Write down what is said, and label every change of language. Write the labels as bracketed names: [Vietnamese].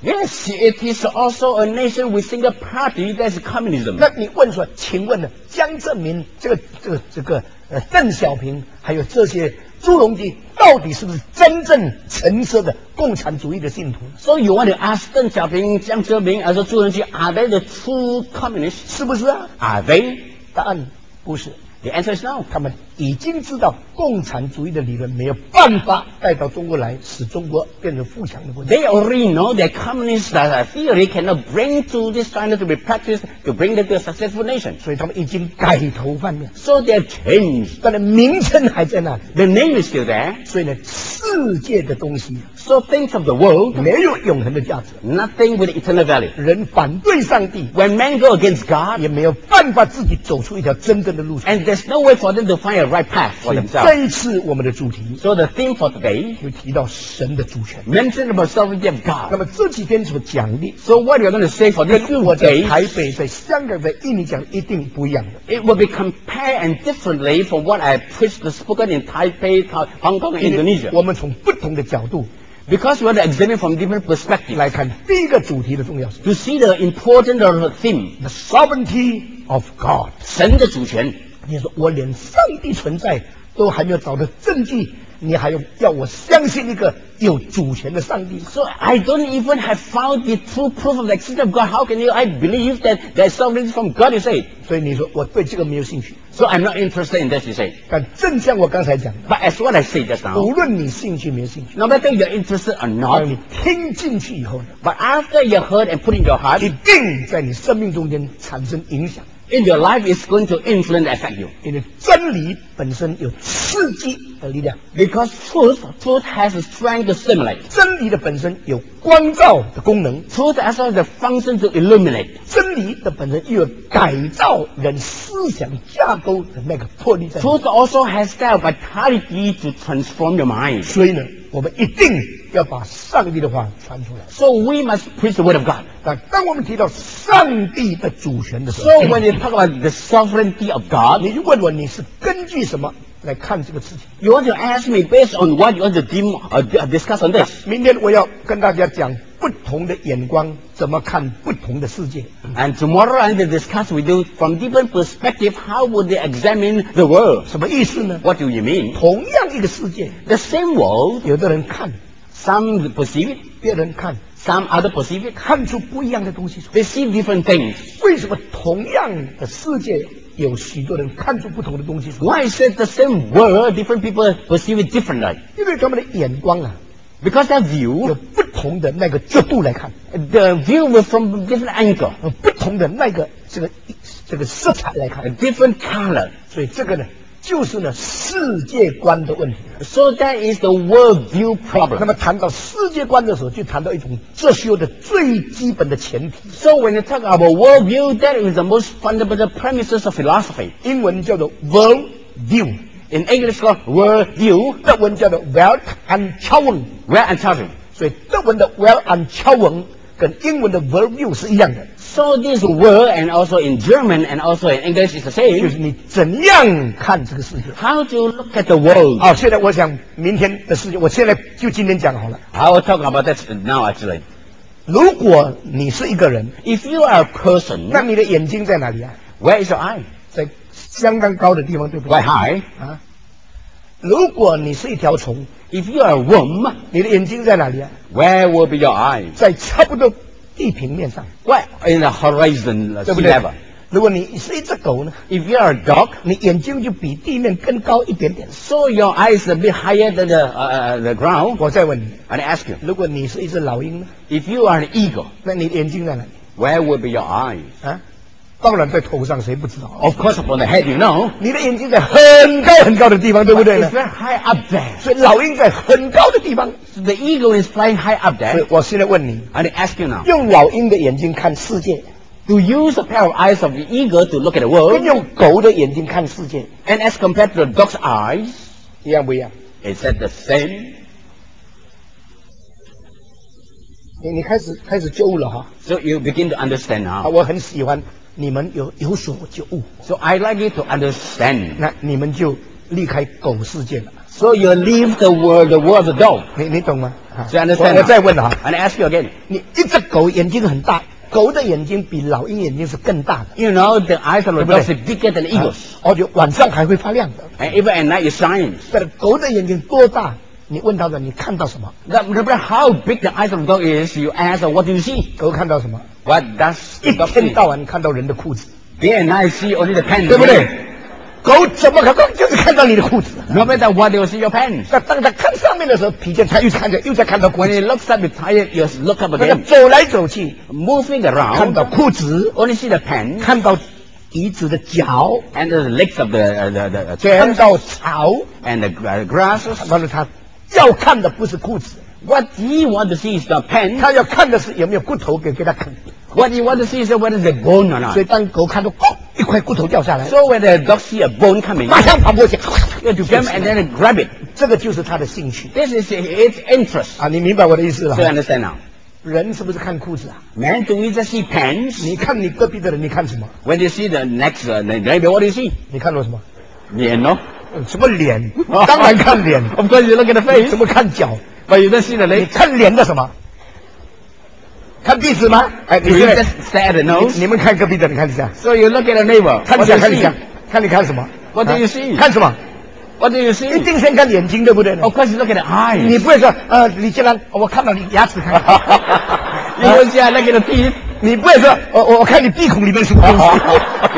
[English] Yes, it is also a nation with single party that is communism. [Chinese] 那你问说，请问呢，江泽民这个。邓小平还有这些朱镕基到底是不是真正诚实的共产主义的信徒 [English] So you want to ask 邓小平江泽民还是朱镕基 Are they the true communists [Chinese] 是不是啊 [English] Are they [Chinese] 答案不是 [English] The answer is no [Chinese] 他们已经知道共产主义的理论没有办法带到中国来使中国变成富强的国家 [English] They already know that communist theory cannot bring to this China to be practiced to bring them to a successful nation [Chinese] 所以他们已经改头换面 [English] So they have changed [Chinese] 但是名称还在那里 [English] The name is still there [Chinese] 所以呢世界的东西 [English] So things of the world [Chinese] 没有永恒的价值 [English] Nothing with eternal value [Chinese] 人反对上帝 [English] When men go against God [Chinese] 也没有办法自己走出一条真正的路 [English] And there's no way for them to find a right path for themselves. [Chinese] 这一次我们的主题 [English] So the theme for today [Chinese] 就提到神的主权 [English] Mention about sovereignty of God [Chinese] 那么这几天所讲的 [English] So what you're going to say for this few days [Chinese] 跟我在台北在香港在印尼讲一定不一样的 [English] It will be compared and differently from what I preached spoken in Taipei, Hong Kong, Indonesia [Chinese] 我们从不同的角度 [English] Because we want to examine from different perspectives [Chinese] 来看第一个主题的重要性 [English] To see the importance of the theme The sovereignty of God [Chinese] 神的主权你说我连上帝存在都还没有找到证据，你还要我相信一个有主权的上帝 [English] ？So I don't even have found the true proof of the existence of God. How can you? I believe that there's something from God. You say. [Chinese] 所以你说我对这个没有兴趣。 [English] So I'm not interested in that. You say. [Chinese] 但正像我刚才讲的 [English] ，But as what I said just now， [Chinese] 无论你兴趣没有兴趣 [English] ，No matter you're interested or not， [Chinese] 当你听进去以后呢 [English] ，But after you heard and put in your heart， [Chinese] 一定在你生命中间产生影响。 [English] In your life is going to influence and affect you. [Chinese] 因为真理本身有刺激的力量。 [English] Because truth has a strength to stimulate. [Chinese] 真理的本身有光照的功能。 [English] Truth has a function to illuminate. [Chinese] 真理的本身又有改造人思想架构的那个魄力在。 [English] Truth also has that vitality to transform your mind. [Chinese] 所以呢，我们一定要把上帝的话传出来。 [English] So we must preach the word of God. [Chinese] 但当我们提到上帝的主权的时候 [English] ，So when you talk about the sovereignty of God， [Chinese] 你就问我你是根据什么来看这个事情 [English] ？You want to ask me based on what you want to deem discuss on this？ [Chinese] 明天我要跟大家讲不同的眼光怎么看不同的世界。 [English] And tomorrow I'm going to discuss with you from different perspective how would they examine the world？ [Chinese] 什么意思呢 [English] ？What do you mean？ [Chinese] 同样一个世界 [English] ，the same world， [Chinese] 有的人看。 [English] Some perceive it, [Chinese] 别人看 [English] Some other perceive it, [Chinese] 看出不一样的东西 [English] They see different things. [Chinese] 为什么同样的世界有许多人看出不同的东西 [English] Why is it the same world, different people perceive it differently? [Chinese] 因为他们的眼光啊 [English] Because their view [Chinese] 有不同的那个角度来看 [English] The view was from different angle [Chinese] 不同的那个这个色彩来看 [English] A different color. [Chinese] 所以这个呢就是呢世界观的问题 [English] So that is the world view problem [Chinese] 那么谈到世界观的时候就谈到一种哲学的最基本的前提 [English] So when you talk about world view that is the most fundamental premises of philosophy [Chinese] 英文叫做 world view [English] In English called world view [Chinese] 德文叫做 Welt and Schauung [German] Welt and Schauung [Chinese] 所以德文的 Welt and Schauung 跟英文的 world view 是一样的 [English] So this word and also in German and also in English is the same [Chinese] 就是你怎样看这个世界 [English] How do you look at the world [Chinese] 好、现在我想明天的事情我现在就今天讲好了 [English] I will talk about that now actually [Chinese] 如果你是一个人 [English] If you are a person [Chinese] 那你的眼睛在哪里啊 [English] Where is your eye [Chinese] 在相当高的地方对不对 [English] Quite high、 [Chinese] 如果你是一条虫 [English] If you are a worm [Chinese] 你的眼睛在哪里啊 [English] Where will be your eye [Chinese] 在差不多地平面上 [English] Where in the horizon sea level [Chinese] 如果你是一只狗呢 [English] If you are a dog [Chinese] 你眼睛就比地面更高一点点 [English] So your eyes are a bit higher than the ground [Chinese] 我再问你 [English] And I ask you [Chinese] 如果你是一只老鹰呢 [English] If you are an eagle [Chinese] 那你眼睛在哪里 [English] Where will be your eyes [Chinese] 当然在头上谁不知道 [English] Of course upon the head you know [Chinese] 你的眼睛在很高很高的地方对不对呢 [English] It's very high up there [Chinese] 所以老鹰在很高的地方 [English] So the eagle is flying high up there [Chinese] 我现在问你 [English] And I ask you now [Chinese] 用老鹰的眼睛看世界 [English] To use a pair of eyes of the eagle to look at the world [Chinese] 跟用狗的眼睛看世界 [English] And as compared to the dog's eyes [Chinese] 一样不一样 [English] Is that the same [Chinese] 你开始觉悟了哈 [English] So you begin to understand now [Chinese] 我很喜欢你们有所觉悟 [English] So I like you to understand [Chinese] 那你们就离开狗世界了 [English] So you leave the world of the dog [Chinese] 你懂吗 [English] So you understand [Chinese] 我再问了 [English] And I ask you again [Chinese] 你一只狗眼睛很大狗的眼睛比老鹰眼睛是更大的 [English] You know the eyes of the dog is bigger than the eagles [Chinese] 而且晚上还会发亮的 [English] And even at night it shines [Chinese] But 狗的眼睛多大你问到的你看到什么 [English] No matter how big the eyes of the dog is You ask what do you see [Chinese] 狗看到什么 [English] What does the dog see? [Chinese] 一天到晚看到人的裤子 [English] Day and night see only the pants [Chinese] 对不对狗怎么可能就是看到你的裤子 [English] No matter what they will see your pants [Chinese] 那当他看上面的时候疲倦他又看着又在看到裤子 [English] When he looks up tired you look up again [Chinese] 走来走去 [English] Moving around [Chinese] 看到裤子 [English] Only see the pants [Chinese] 看到椅子的脚 [English] And the legs of the chair [Chinese] 看到草 [English] And the grasses [Chinese] 但是他要看的不是裤子 [English] What he wants to see is the pants [Chinese] 他要看的是有没有骨头给他啃 [English] What you want to see is whether it's a bone or not. [Chinese] 所以当狗看到，一块骨头掉下来。 [English] So when the dog see a bone coming, [Chinese] 马上跑过去，要去 [English] jump and then grab it. [Chinese] 这个就是他的兴趣。 [English] This is its interest. [Chinese] 你明白我的意思了 [English] ？So you understand now. [Chinese] 人是不是看裤子啊 [English] ？Man, do we just see pants? [Chinese] 你看你隔壁的人，你看什么 [English] ？When you see the next neighbor, what do you see? [Chinese] 你看到什么？脸哦。什么脸？当然看脸。 [English] Of course, you look at the face. [Chinese] 怎么看脚 [English] ？But you don't see the leg. [Chinese] 你看脸的什么？看壁纸吗？ [English] 你 just stare at the nose? [Chinese] 你们看隔壁的，你看一下。 [English] So you look at the neighbor. [Chinese] 看一下，看一下，看你看什么 [English] ？What do you see?、 [Chinese] 看什么 [English] ？What do you see? [Chinese] 一定先看眼睛，对不对 [English] ？Of course, you look at the eyes. [Chinese] 你不会说，你既然我看到你牙齿，看。 [English] You will see I look at the teeth. [Chinese] 你不会说，我看你鼻孔里面什么东西。